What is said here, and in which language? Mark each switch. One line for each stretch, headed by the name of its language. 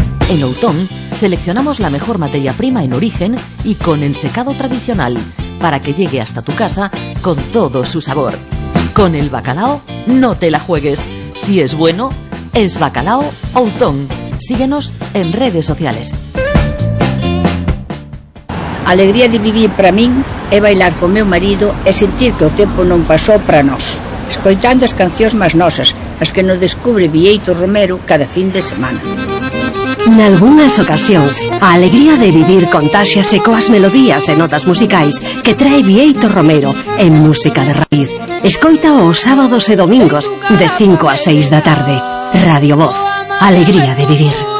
Spanish: En Outón seleccionamos la mejor materia prima en origen y con ensecado tradicional, para que llegue hasta tu casa con todo su sabor. Con el bacalao no te la juegues. Si es bueno, es Bacalao Outón. Síguenos en redes sociales.
Galician: Alegría de vivir para min é bailar con meu marido e sentir que o tempo non pasou para nós. Escoitando as cancións máis nosas, as que nos descubre Vieito Romero cada fin de semana. Nalgúnas ocasións, a alegría de vivir contáxiase coas melodías e notas musicais que trae Vieito Romero en Música de Raíz. Escoita os sábados e domingos de 5 a 6 da tarde. Radio Voz, alegría de vivir.